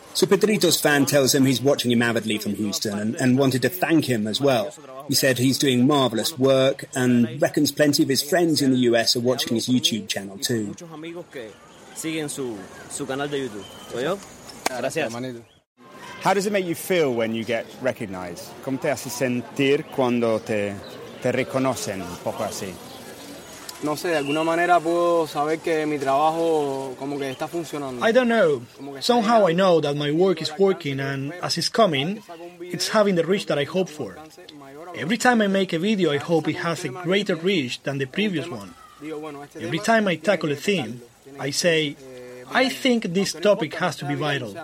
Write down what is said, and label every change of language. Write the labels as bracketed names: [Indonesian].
[English] So Pedrito's fan tells him he's watching him avidly from Houston and wanted to thank him as well. He said he's doing marvelous work and reckons plenty of his friends in the U.S. are watching his YouTube channel too. [Spanish] Siguen su canal de YouTube. ¿Oye? Gracias. [English] How does it make you feel when you get recognized? [Spanish] ¿Cómo te hace sentir cuando te reconocen un poco así? No sé, de alguna manera puedo saber que mi trabajo como que está funcionando. [English] I don't know. Somehow I know that my work is working and as it's coming, it's having the reach that I hope for. Every time I make a video, I hope it has a greater reach than the previous one. Every time I tackle a theme, I say, I think this topic has to be viral.